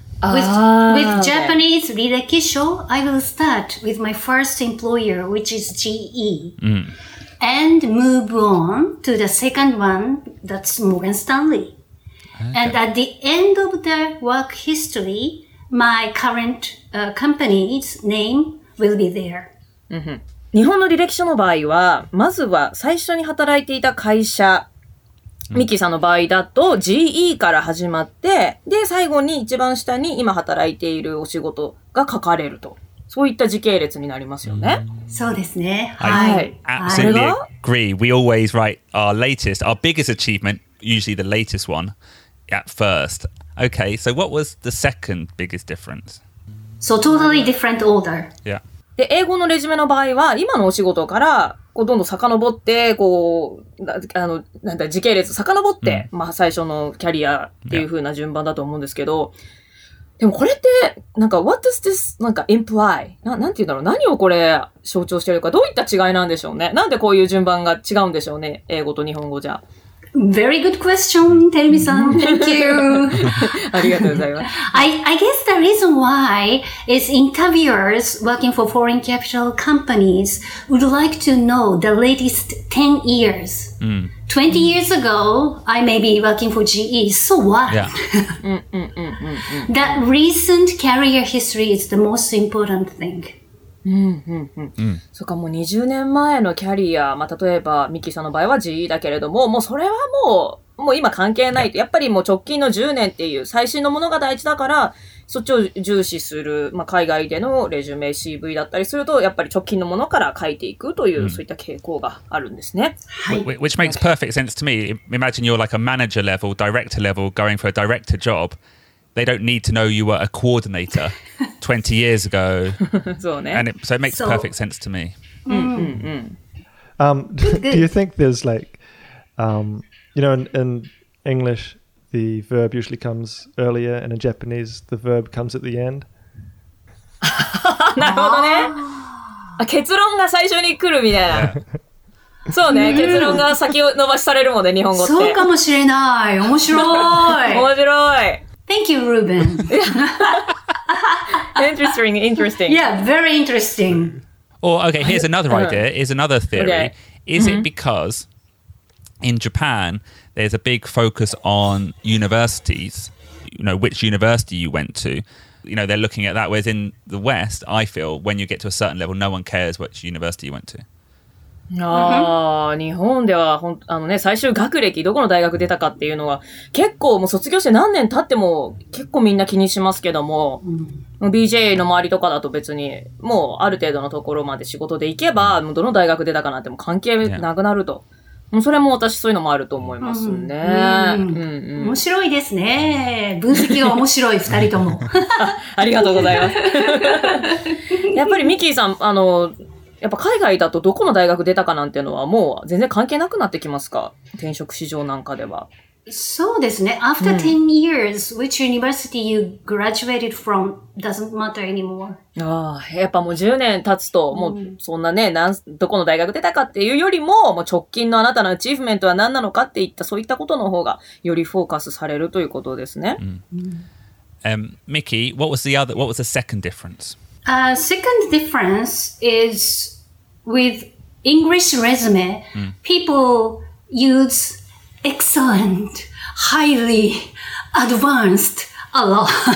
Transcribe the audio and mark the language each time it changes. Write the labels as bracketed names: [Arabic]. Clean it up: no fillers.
[English] With Japanese rirekusho, I will start with my first employer, which is GE, and move on to the second one, that's Morgan Stanley. Okay. And at the end of the work history, my current company's name will be there. [Japanese] Mm-hmm. 日本の履歴書の場合は、まずは最初に働いていた会社、ミキさんの場合だと GE から始まって、で、最後に一番下に今働いているお仕事が書かれると。そういった時系列になりますよね。そうですね。はい。 [English] I absolutely agree. We always write our latest, our biggest achievement, usually the latest one, at first. Okay, so what was the second biggest difference? So totally different order. Yeah. [Japanese] で、英語のレジュメの場合は、今のお仕事から、こうどんどん遡って、こう、あの、なんだ、時系列遡って、まあ最初のキャリアっていう風な順番だと思うんですけど、でもこれって、なんか、 [English] what does this, [Japanese] なんか imply? なんて言うんだろう、何をこれ象徴してるか、どういった違いなんでしょうね。なんでこういう順番が違うんでしょうね、英語と日本語じゃ。 [English] Very good question, Terumi-san. Thank you. I guess the reason why is interviewers working for foreign capital companies would like to know the latest 10 years. Mm. 20 years ago, I may be working for GE. So what? Yeah. The recent career history is the most important thing. [Japanese] そうか、もう20年前のキャリア、まあ、例えば、ミキさんの場合は GE だけれども、もうそれはもう、もう今関係ないと。やっぱりもう直近の10年っていう最新のものが大事だから、そっちを重視する、まあ、海外でのレジュメ CV だったりすると、やっぱり直近のものから書いていくという、そういった傾向があるんですね。はい。 [English] Which makes perfect sense to me. Imagine you're like a manager level, director level, going for a director job. They don't need to know you were a coordinator 20 years ago. [Japanese] そうね。 [English] And it, so it makes perfect sense to me. Do you think there's like, you know, in English, the verb usually comes earlier, and in Japanese, the verb comes at the end? [Japanese] なるほどね。あ、結論が最初に来るみたいな。そうね、結論が先を伸ばしされるもんね、日本語って。そうかもしれない。面白い。面白い。 [English] Thank you, Ruben. Interesting, interesting. Yeah, very interesting. Or, okay, here's another idea, here's another theory. Okay. Is it because in Japan, there's a big focus on universities, you know, which university you went to? You know, they're looking at that, whereas in the West, I feel, when you get to a certain level, no one cares which university you went to. [Japanese] ああ、日本では、あのね、最終学歴、どこの大学出たかっていうのは、結構もう卒業して何年経っても、結構みんな気にしますけども、BJ の周りとかだと別に、もうある程度のところまで仕事で行けば、もうどの大学出たかなんても関係なくなると。もうそれも私そういうのもあると思いますね。うん。面白いですね。分析が面白い、二人とも。ありがとうございます。やっぱりミキーさん、あの、やっぱ海外だとどこの大学出たかなんていうのはもう全然関係なくなってきますか？転職市場なんかでは。そうですね。 [English] After 10 years, which university you graduated from doesn't matter anymore. [Japanese] ああ、やっぱもう10年経つと、もうそんなね、どこの大学出たかっていうよりも、もう直近のあなたのアチーフメントは何なのかっていった、そういったことの方がよりフォーカスされるということですね。 [English] Mickey, what was the second difference? Second difference is with English resume, people use excellent, highly advanced a lot.